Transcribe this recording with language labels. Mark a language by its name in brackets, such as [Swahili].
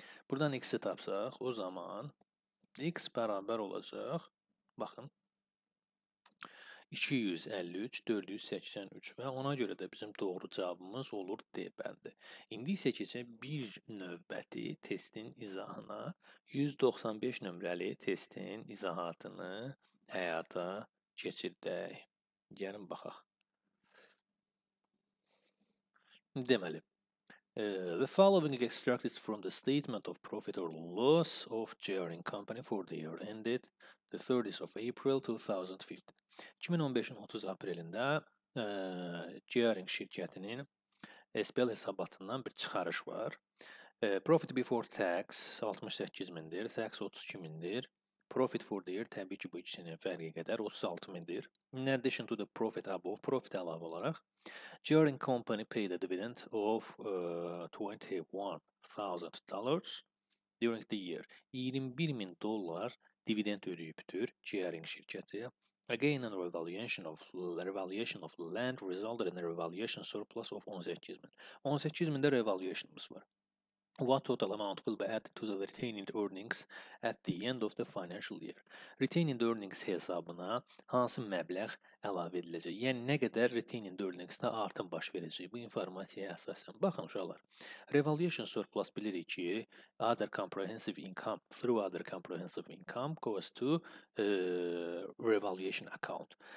[Azerbaijani] Buradan x-i tapsaq, o zaman x bərabər olacaq, baxın, 253,483 və ona görə də bizim doğru cavabımız olur D bəndi. İndi isə keçək bir növbəti testin izahına, 195 nömrəli testin izahatını həyata keçirdək. Gəlin, baxaq. [English] Deməli, the following extract is from the statement of profit or loss of Gering Company for the year ended the 30th of April 2015. [Azerbaijani] 2015'in 30 aprelində Gering şirkətinin SPL hesabatından bir çıxarış var. [English] Profit before tax [Azerbaijani] 68 mindir, tax 32 mindir. [English] Profit for the year [Azerbaijani] təbii ki bu ikisinin fərqi qədər 36.000'dir. [English] In addition to the profit above, profit [Azerbaijani] əlavə olaraq, [English] Jaring Company paid a dividend of $21,000 during the year. [Azerbaijani] $21,000 dividend ödəyibdir Jaring şirkəti. [English] Again, a revaluation of land resulted in a revaluation surplus of 18.000. [Azerbaijani] 18.000'de revaluationımız var. [English] What total amount will be added to the retained earnings at the end of the financial year? [Azerbaijani] Retained earnings hesabına hansı məbləğ əlavə ediləcək? Yəni, nə qədər retained earnings-də artım baş verəcək bu informasiyaya əsasən? Baxın, uşaqlar, [English] revaluation surplus [Azerbaijani] bilirik ki, [English] other comprehensive income through other comprehensive income goes to revaluation account.